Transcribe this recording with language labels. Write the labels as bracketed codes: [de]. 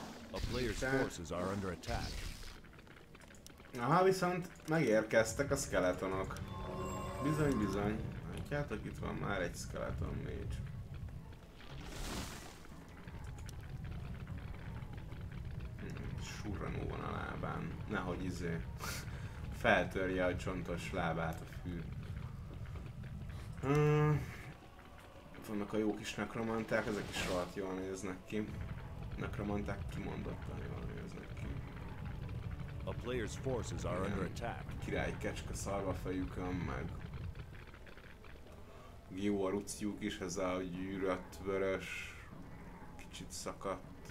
[en] A player's forces are under attack. [hu] Aha, viszont megérkeztek a skeletonok. Bizony. Látjátok, itt van már egy skeleton mage. Surranó van a lábán. Nehogy feltörje a csontos lábát a fű. Vannak a jó kis nekromanták, ezek is rohadt jól néznek ki. Nekromanták kimondottan jól néznek ki. [en] A player's forces are under attack. [hu] Király kecske szarva fejükön, meg jó a ruciuk is, ez a gyűrött vörös, kicsit szakadt.